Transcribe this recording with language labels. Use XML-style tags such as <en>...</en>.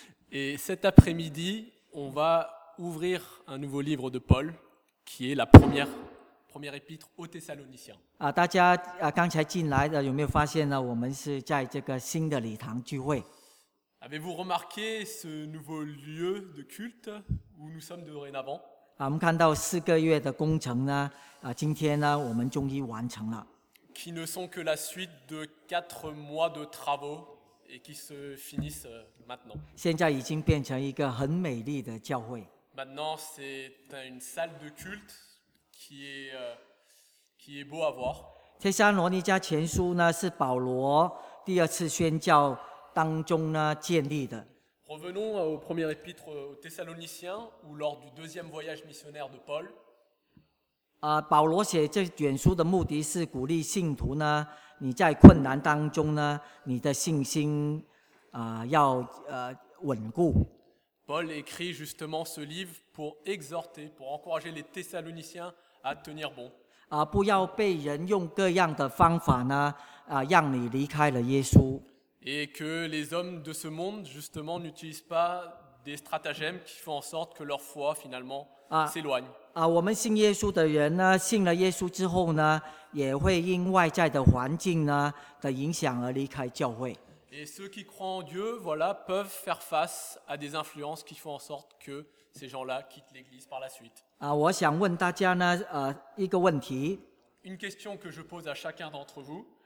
<fr>Et cet après-midi, on va ouvrir un nouveau livre de Paul, qui est la première épître aux Thessaloniciens.</fr> <zh>大家刚才进来的有没有发现呢？我们是在这个新的礼堂聚会。</zh> <fr>Avez-vous remarqué ce nouveau lieu de culte où nous sommes dorénavant？</fr> <zh>我们看到四个月的工程呢，今天呢，我们终于完成了。</zh> <fr>Qui ne sont que la suite de 4 mois de travaux。 Et qui se finissent maintenant.</fr> <zh>现在已经变成一个很美丽的教会。</zh> <fr>Maintenant, c'est une salle de culte qui est beau à voir.</fr> <zh>帖撒罗尼迦前书呢是保罗第二次宣教当中呢建立的。</zh> <fr>Revenons au premier épître aux Thessaloniciens ou lors du deuxième voyage missionnaire de Paul.</fr> <zh>保罗写这卷书的目的是鼓励信徒呢。你在困难当中呢，你的信心要稳固。</zh> <fr>Paul écrit justement ce livre pour exhorter, pour encourager les Thessaloniciens à tenir bon.</fr> <zh>不要被人用各样的方法呢，让你离开了耶稣。</zh> <fr>Et que les hommes de ce monde justement n'utilisent pas des stratagèmes qui font en sorte que leur foi finalement s'éloigne.</fr> <zh>我们信耶稣的人呢，信了耶稣之后呢。也会因外在的环境呢的影响而离开教会。</zh> <fr>Et ceux qui croient en Dieu, voilà, peuvent faire face à des influences qui font en sorte que ces gens-là quittent l'Église par la suite.</fr> <zh>我想问大家呢，一个问题。</zh> <fr>Une question que je pose à chacun d'entre vous.</fr>